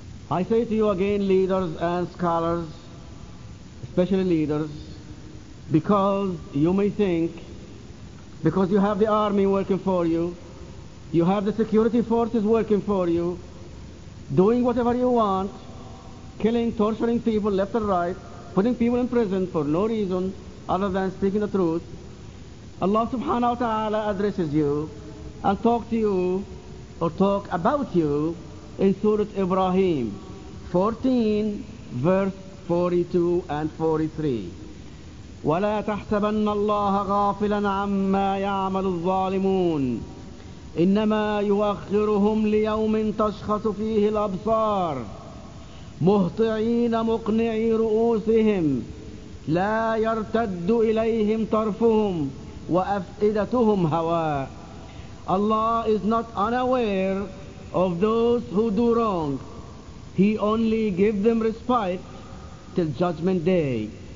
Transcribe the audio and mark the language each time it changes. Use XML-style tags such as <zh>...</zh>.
<en>I say to you again, leaders and scholars, especially leaders, because you may think, because you have the army working for you, you have the security forces working for you, doing whatever you want, killing, torturing people left and right, putting people in prison for no reason other than speaking the truth, Allah subhanahu wa ta'ala addresses you and talk to you or talk about you in Surah Ibrahim 14 verse 42 and 43.</en> <ar>ولا تحسبن الله غافلا عما يعمل الظالمون إنما يؤخرهم ليوم تشخص فيه الأبصار مهطعين مقنعي رؤوسهم لا يرتد إليهم طرفهم وأفئدتهم هواء.</ar> <en>Allah is not unaware of those who do wrong. He only gives them respite till judgment day.</en>